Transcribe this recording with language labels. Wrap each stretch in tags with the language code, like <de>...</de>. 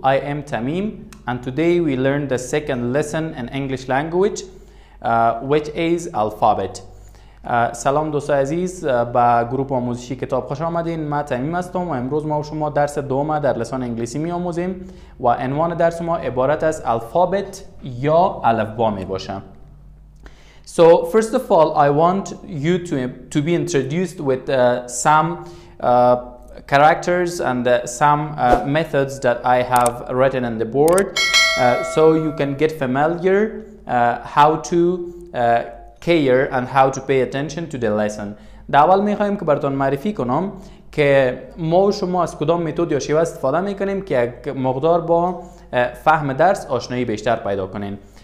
<en>I am Tamim, and today we learn the second lesson in English language, which is alphabet.</en> <fa>سلام دوستان عزیز به گروپ آموزشی کتاب خوش آمدین. من تمیم هستم و امروز ما و شما درس دوم در لسان انگلیسی می آموزیم و عنوان درس ما عبارت از الفابت یا الفبا می باشه.</fa> <en>So first of all, I want you to be introduced with some characters and some methods that I have written on the board so you can get familiar how to care and how to pay attention to the lesson.</en> <fa>اول میخوایم که براتون معرفی کنم که ما و شما از کدام متد یا شیوه استفاده میکنیم که یک مقدار با فهم درس آشنایی بیشتر پیدا کنین.</fa>